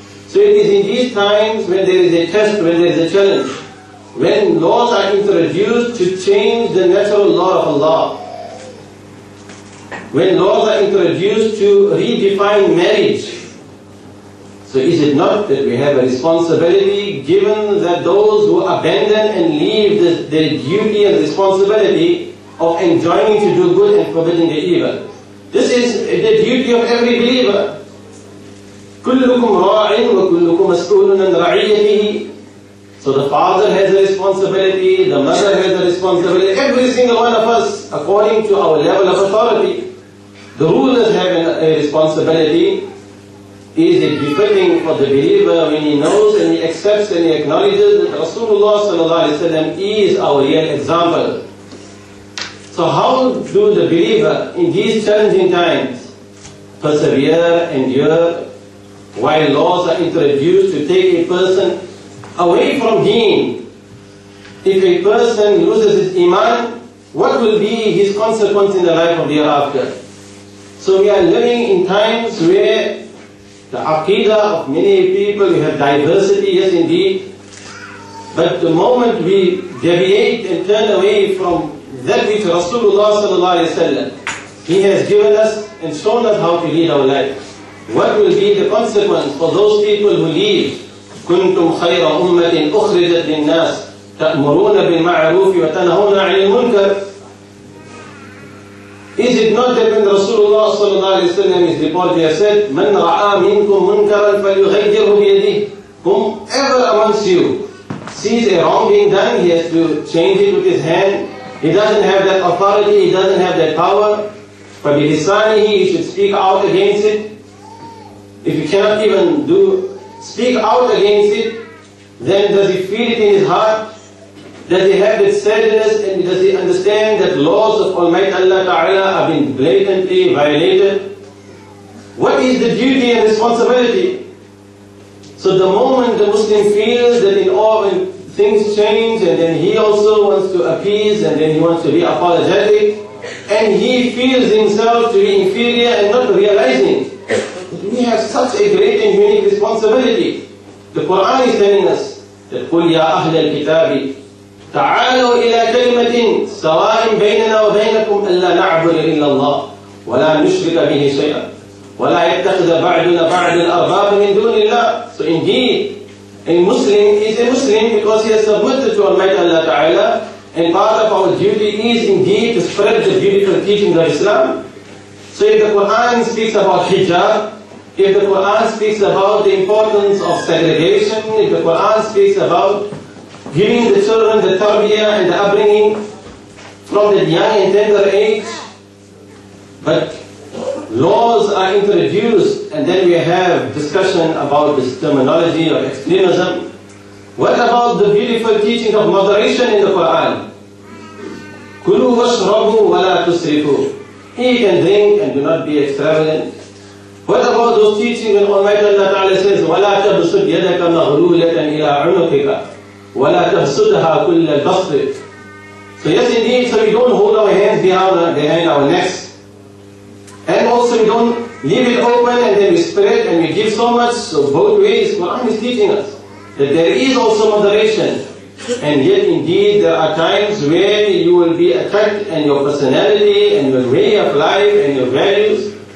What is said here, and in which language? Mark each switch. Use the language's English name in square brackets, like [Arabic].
[English] So it is in these times when there is a test, when there is a challenge, when laws are introduced to change the natural law of Allah, when laws are introduced to redefine marriage, so is it not that we have a responsibility given that those who abandon and leave their duty and responsibility of enjoining to do good and forbidding the evil? This is the duty of every believer. [Arabic] كلكم راع وكلكم مسؤول عن رعيته. [English] So the father has a responsibility, the mother has a responsibility, every single one of us according to our level of authority. The rulers have a responsibility. Is it befitting for the believer when he knows and he accepts and he acknowledges that Rasulullah sallallahu alaihi wasallam is our real example? So how do the believer in these challenging times persevere, endure, while laws are introduced to take a person away from deen? If a person loses his iman, what will be his consequence in the life of the hereafter? So we are living in times where the aqidah of many people, we have diversity, yes indeed. But the moment we deviate and turn away from that which Rasulullah sallallahu alaihi wasallam, he has given us and shown us how to lead our life, what will be the consequence for those people who leave [Arabic] كنتم خير أمة أخرجت للناس تأمرون بالمعروف وتنهون عن المنكر. [English] Is it not that when Rasulullah sallallahu alayhi wa sallam is reported, he has said, [Arabic] من رعى منكم منكرا فليغيره بيده. [English] Whomever amongst you sees a wrong being done, he has to change it with his hand. He doesn't have that authority, he doesn't have that power. [Arabic] فبلسانه, [English] you should speak out against it. If you cannot even speak out against it, then does he feel it in his heart? Does he have that sadness, and does he understand that laws of Almighty Allah Ta'ala have been blatantly violated? What is the duty and responsibility? So the moment the Muslim feels that in all things change, and then he also wants to appease, and then he wants to be apologetic, and he feels himself to be inferior and not realizing, we have such a great and unique responsibility. The Quran is telling us that [Arabic] قُلْ يَا أَهْلَ الْكِتَابِ تَعَالُوا إِلَىٰ كَلِمَةٍ سَوَاءٍ بَيْنَنَا وَبَيْنَكُمْ أَلَّا نَعْبُدَ إِلَّا اللَّهَ وَلَا نُشْرِكَ بِهِ شَيْئًا وَلَا يَتَّخِذَ بَعْضُنَا بَعْضًا أَرْبَابًا مِنْ دُونِ اللَّهِ. [English] So indeed, a Muslim is a Muslim because he has submitted to Almighty Allah Ta'ala, and part of our duty is indeed to spread the beautiful teachings of Islam. So if the Quran speaks about hijab, if the Quran speaks about the importance of segregation, if the Quran speaks about giving the children the tarbiyah and the upbringing from the young and tender age, but laws are introduced and then we have discussion about this terminology of extremism, what about the beautiful teaching of moderation in the Quran? [Arabic] كُلُوا وَاشْرَبُوا وَلَا تُسْرِفُوا. [English] Eat and drink and do not be extravagant. What about those teachings when Almighty Allah Ta'ala says, [Arabic] وَلَا تَبْسُدْ يَدَكَ مَغْلُولَةً إِلَىٰ عُنُقِكَ وَلَا تَبْسُدْهَا كُلَّ الْبَصْرِ. [English] So yes indeed, so we don't hold our hands behind our necks. And also we don't leave it open and then we spread and we give so much. So both ways, Quran is teaching us that there is also moderation. And yet indeed there are times where you will be attacked and your personality and your way of life and your values.